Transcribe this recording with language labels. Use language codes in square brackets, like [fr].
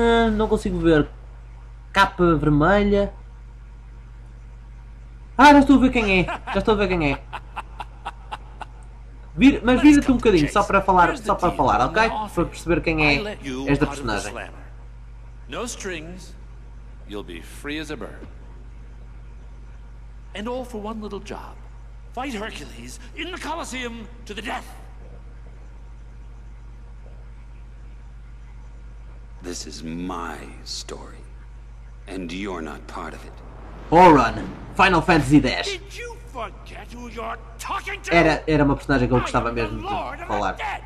[pt] Não consigo ver. Capa vermelha. Ah, já estou a ver quem é. Mas vira-te um bocadinho, só para falar, ok? Para perceber quem é esta personagem. [en] No strings, you'll be free as a bird. And all for one little job. Fight Hercules in the Colosseum to the death. This is my story, and you're not part of it. Auron, Final Fantasy X. Did you forget who you're talking to? [pt] Era uma personagem que eu gostava mesmo de falar.